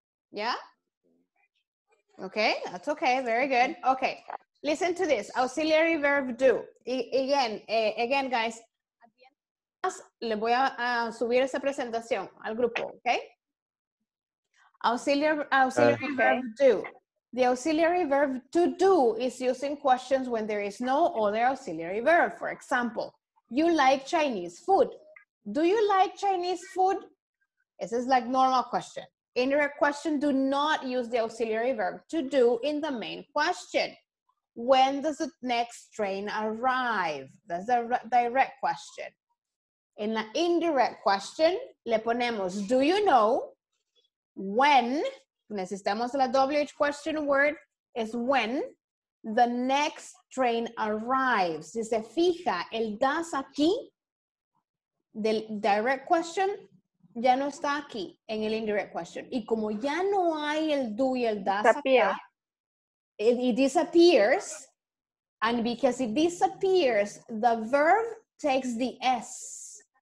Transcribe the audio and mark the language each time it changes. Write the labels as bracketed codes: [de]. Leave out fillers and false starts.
[en] ¿Ya? Okay, that's okay, very good. Okay, listen to this. Auxiliary verb do. Again, guys. [es] Le voy a subir esa presentación al grupo, okay? [en] Auxiliary verb do. The auxiliary verb to do is used in questions when there is no other auxiliary verb. For example, you like Chinese food. Do you like Chinese food? This is like normal question. Indirect question, do not use the auxiliary verb to do in the main question. When does the next train arrive? That's a direct question. In the indirect question, [es] le ponemos, [en] do you know when, [es] necesitamos la [en] WH question word, is when the next train arrives. [es] Si se fija, el does aquí, [en] the direct question, [es] ya no está aquí en el indirect question. Y como ya no hay el do y el does acá, [en] it disappears. And because it disappears, the verb takes the S.